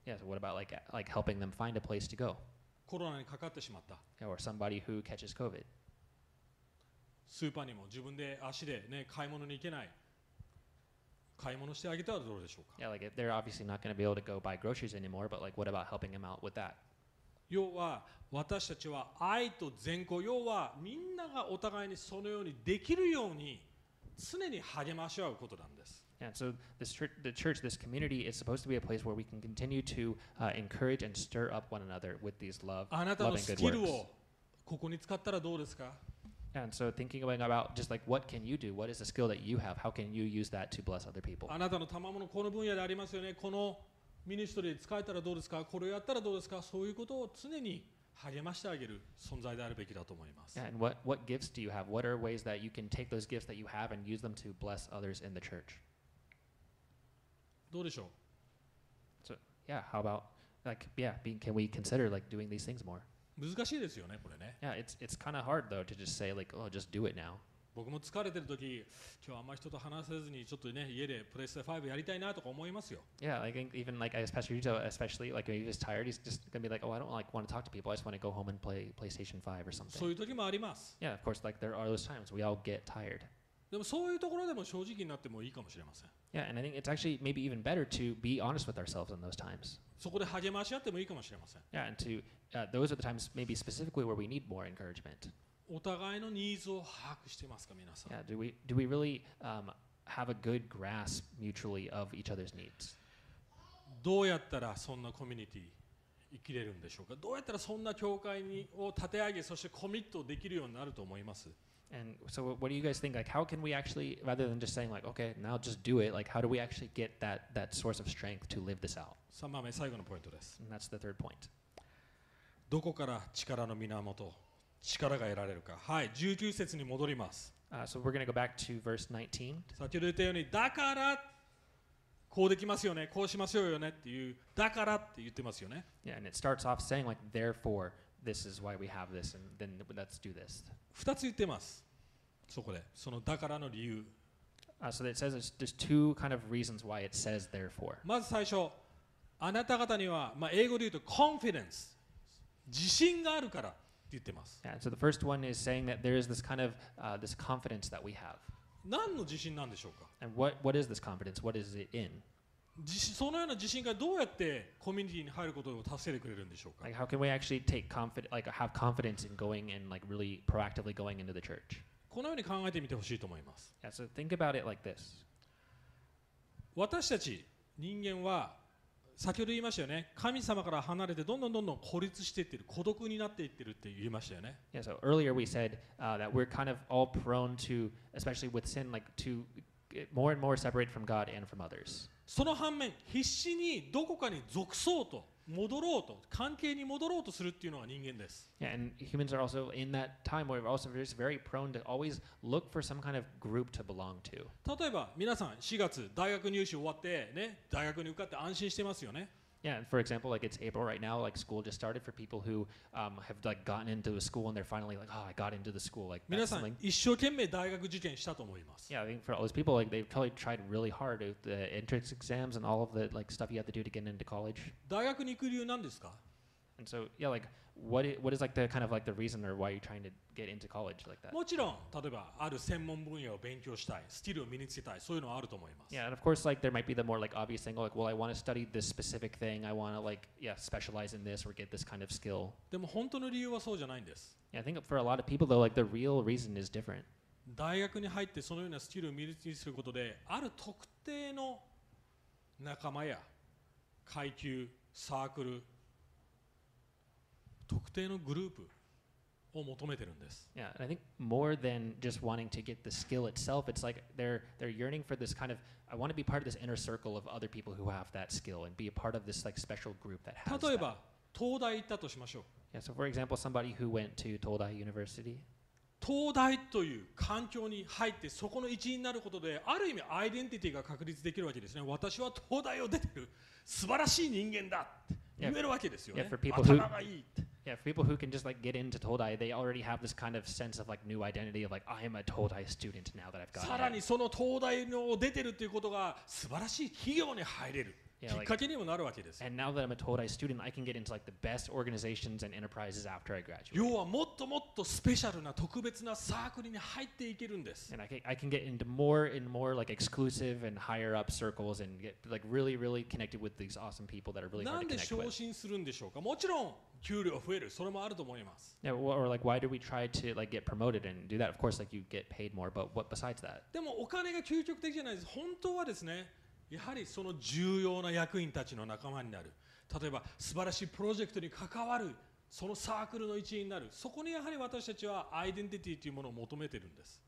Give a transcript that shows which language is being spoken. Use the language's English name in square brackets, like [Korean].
[English] Yeah, so what about like helping them find a place to go? [Japanese] コロナにかかってしまった。 [English] Yeah, or somebody who catches COVID. [Japanese] スーパーにも自分で足で、ね、買い物に行けない。買い物してあげたらどうでしょうか? [English] Yeah, like they're obviously not going to be able to go buy groceries anymore, but like what about helping them out with that? [Japanese] 要は私たちは愛と善行、要はみんながお互いにそのようにできるように常に励まし合うことなんです。 [English] Yeah, so this the church, this community is supposed to be a place where we can continue to encourage and stir up one another with these love, loving good works. [Japanese] あなたのスキルをここに使ったらどうですか? [English] And so thinking about just like what can you do? What is the skill that you have? How can you use that to bless other people? [Japanese] あなたの賜物この分野でありますよね。このミニストリーで使えたらどうですか?これをやったらどうですか? そういうことを常に励ましてあげる存在であるべきだと思います。 [English] And what gifts do you have? What are ways that you can take those gifts that you have and use them to bless others in the church? [Japanese] どうでしょう? [English] So, yeah, how about, like, yeah, can we consider, like, doing these things more? [Japanese] 難しいですよね、これね。 [English] Yeah, it's kind of hard, though, to just say, like, oh, just do it now. [Japanese] 僕も疲れてる時、今日あんま人と話せずに、ちょっとね、家でプレステ5やりたいなとか思いますよ。 [English] Yeah, I think even, like, especially, like, if he's tired, he's just gonna be like, oh, I don't, like, want to talk to people, I just want to go home and play PlayStation 5 or something. [Japanese] そういう時もあります。 [English] Yeah, of course, like, there are those times we all get tired. [Japanese] でもそういうところでも正直になってもいいかもしれません。 [English] Yeah, and I think it's actually maybe even better to be honest with ourselves in those times. [Japanese] そこで励まし合ってもいいかもしれません。 [English] Yeah, and to those are the times maybe specifically where we need more encouragement. [Japanese] お互いのニーズを把握してますか、皆さん。 [English] Yeah, do we really have a good grasp mutually of each other's needs? [Japanese] どうやったらそんなコミュニティ生きれるんでしょうか。どうやったらそんな教会にを立て上げ、そしてコミットできるようになると思います。 [English] And so what do you guys think? Like, how can we actually, rather than just saying like, okay, now just do it, like, how do we actually get that source of strength to live this out? [Japanese] 3番目、最後のポイントです。 [English] And that's the third point. [Japanese] どこから力の源、力が得られるか。はい、19節に戻ります。 [English] So we're going to go back to verse 19. [Japanese] 先ほど言ったように、だから、こうできますよね、こうしましょうよねっていう、だからって言ってますよね。 [English] Yeah, and it starts off saying like, therefore,This is why we have this, and then let's do this. [Japanese] 2つ言ってます。そこで、そのだからの理由。 [English] So it says there's two kind of reasons why it says therefore. [Japanese] まず最初、あなた方には、まあ、英語で言うと confidence、自信があるからって言ってます。 [English] Yeah, so the first one is saying that there is this kind of this confidence that we have. [Japanese] 何の自信なんでしょうか? [English] And what is this confidence? What is it in? [Japanese] そのような自信がどうやってコミュニティに入ることを助けてくれるんでしょうか? [English] Like, how can we actually take confidence, like, have confidence in going and, like, really proactively going into the church? [Japanese] このように考えてみてほしいと思います。 [English] Yeah, so think about it like this. [Japanese] 私たち人間は、先ほど言いましたよね。神様から離れてどんどんどんどん孤立していってる、孤独になっていってるって言いましたよね。 [English] Yeah, so earlier we said, that we're kind of all prone to, especially with sin, like, to get more and more separate from God and from others. [Japanese] その反面、必死にどこかに属そうと、戻ろうと、関係に戻ろうとするっていうのが人間です。 [English] Yeah, and humans are also in that time where we're also just very prone to always look for some kind of group to belong to. [Japanese] 例えば、皆さん、4月、大学入試終わってね、大学に受かって安心してますよね。 [English] Yeah, and for example, like it's April right now, like school just started for people who have like gotten into a school and they're finally like, oh, I got into the school. Like, [Japanese] 皆さん一生懸命大学受験したと思います。 [English] Yeah, I think for all those people, like they've probably tried really hard with the entrance exams and all of the like stuff you have to do to get into college. [Japanese] 大学に行く理由なんですか? [English] And so, yeah, like what is like the kind of like the reason or why you're trying to get into college like that? [Japanese] もちろん、例えばある専門分野を勉強したい、スキルを身につけたい、そういうのはあると思います。 [English] Yeah, and of course, like there might be the more like obvious thing, like, well, I want to study this specific thing, I want to like, yeah, specialize in this or get this kind of skill. [Japanese] でも本当の理由はそうじゃないんです。 [English] Yeah, I think for a lot of people though, like the real reason is different. [Japanese] 大学に入ってそのようなスキルを身につけることで、ある特定の仲間や階級、サークル、特定のグループを求めてるんです。 [English] Yeah, and I think more than just wanting to get the skill itself, it's like they're yearning for this kind of, I want to be part of this inner circle of other people who have that skill and be a part of this like special group that has that. [Japanese] 例えば、東大行ったとしましょう。 [English] Yeah, so for example, somebody who went to 東大 University. [Japanese] 東大という環境に入ってそこの一員になることで、ある意味アイデンティティが確立できるわけですね。私は東大を出てる素晴らしい人間だって。言えるわけですよね。 [English] Yeah, for people [Japanese] 頭がいい。 [English] Yeah, for people who can just like get into Todai, they already have this kind of sense of like new identity of like I am a Todai student now that I've got. [Japanese] さらにその東大の出てるということが素晴らしい企業に入れる。 [English] Yeah, like, [Japanese] きっかけにもなるわけです。 [English] And now that I'm a Todai student, I can get into like the best organizations and enterprises after I graduate. [Japanese] 要はもっともっとスペシャルな特別なサークルに入っていけるんです。 [English] And I can get into more and more like exclusive and higher up circles and get like really really connected with these awesome people that are really hard to connect with. [Japanese] なんで昇進するんでしょうか。もちろん給料増える、それもあると思います。 [English] Yeah, or like why do we try to like get promoted and do that? Of course, like you get paid more, but what besides that? [Japanese] でもお金が究極的じゃないです。本当はですね。やはりその重要な役員たちの仲間になる、例えば素晴らしいプロジェクトに関わるそのサークルの一員になる、そこにやはり私たちはアイデンティティというものを求めてるんです。